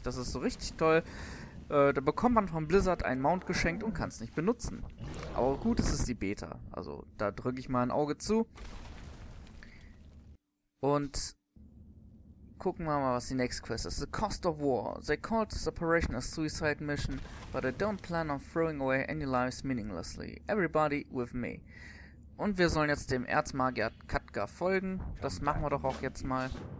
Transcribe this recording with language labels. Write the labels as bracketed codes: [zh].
[de] Das ist so richtig toll. Da bekommt man von Blizzard einen Mount geschenkt und kann es nicht benutzen. Aber gut, es ist die Beta. Also, da drücke ich mal ein Auge zu. Und gucken wir mal, was die nächste Quest ist. The Cost of War. [en] They called this operation a suicide mission, but I don't plan on throwing away any lives meaninglessly. Everybody with me. [de] Und wir sollen jetzt dem Erzmagier Khadgar folgen. Das machen wir doch auch jetzt mal.